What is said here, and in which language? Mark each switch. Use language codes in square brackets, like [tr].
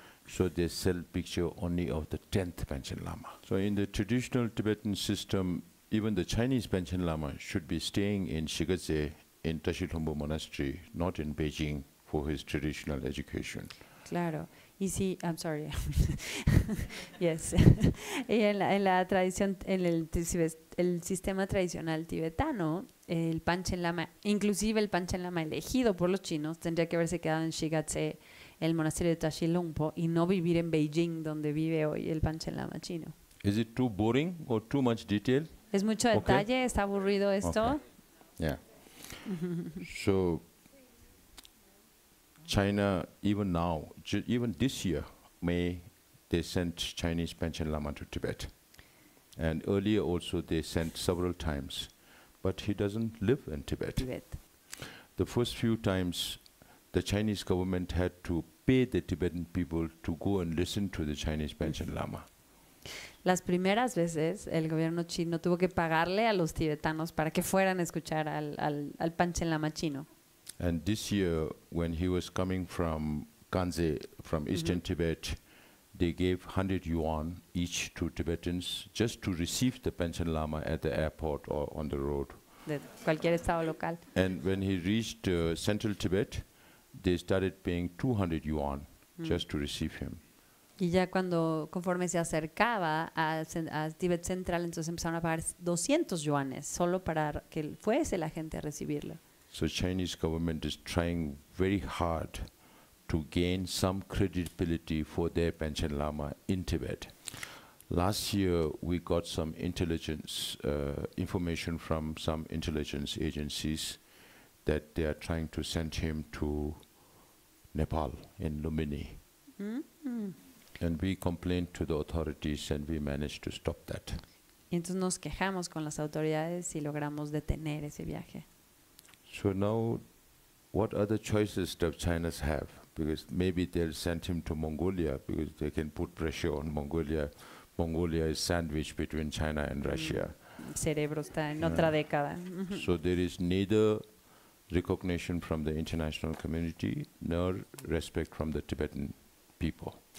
[en] So they sell picture only of the 10th Panchen Lama. So in the traditional Tibetan system, even the Chinese Panchen Lama should be staying in Shigatse, in Tashilhombu Monastery, not in Beijing, for his traditional education. [es] Claro. Y si, [en] I'm sorry. Yes. [es] Y en la tradición, en el sistema tradicional tibetano, el Panchen Lama, inclusive el Panchen Lama elegido por los chinos, tendría que haberse quedado en Shigatse, el monasterio de Tashilhombu, y no vivir en Beijing, donde vive hoy el Panchen Lama chino. [en] Is it too boring or too much detail? [es] Es mucho detalle, okay. Está aburrido esto. [en] Okay. Yeah. So, China, even now, even this year, May, they sent Chinese Panchen Lama to Tibet. And earlier also, they sent several times. But he doesn't live in Tibet. Tibet. The first few times, the Chinese government had to pay the Tibetan people to go and listen to the Chinese Panchen Lama. [es] Las primeras veces, el gobierno chino tuvo que pagarle a los tibetanos para que fueran a escuchar al Panchen Lama chino. [en] And this year, when he was coming from Kanze, from mm-hmm. eastern Tibet, they gave 100 yuan each to Tibetans just to receive the Panchen Lama at the airport or on the road. [es] De cualquier estado local. [en] And when he reached central Tibet, they started paying 200 yuan just to receive him. [es] Y ya cuando, conforme se acercaba a Tibet Central, entonces empezaron a pagar 200 yuanes solo para que fuese la gente a recibirlo. [en] So Chinese government is trying very hard to gain some credibility for their Panchen Lama in Tibet. Last year, we got some intelligence information from some intelligence agencies that they are trying to send him to Nepal in Lumbini. Mm-hmm. And we complained to the authorities and we managed to stop that. [es] Y entonces nos quejamos con las autoridades y logramos detener ese viaje. [en] So now, what other choices does China have? Because maybe they'll send him to Mongolia, because they can put pressure on Mongolia. Mongolia is sandwiched between China and Russia. [es] Cerebro está en otra década. [en] So there is neither recognition from the international community nor respect from the Tibetan people.